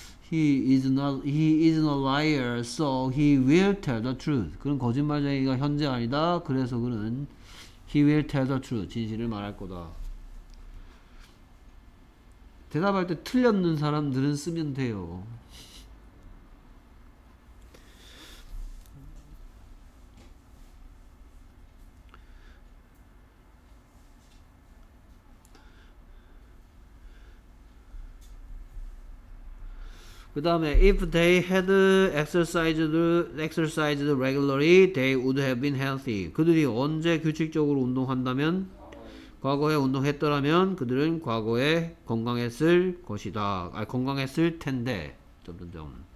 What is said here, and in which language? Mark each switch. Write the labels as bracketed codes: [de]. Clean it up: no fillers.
[en] He isn't a liar, so he will tell the truth. [ko] 그런 거짓말쟁이가 현재 아니다. 그래서 그는 [en] he will tell the truth. [ko] 진실을 말할 거다. 대답할 때 틀렸는 사람들은 쓰면 돼요. 그 다음에 [en] if they had exercised regularly they would have been healthy. [ko] 그들이 언제 규칙적으로 운동한다면 과거에 운동했더라면 그들은 과거에 건강했을 것이다. 아, 건강했을 텐데 점점점.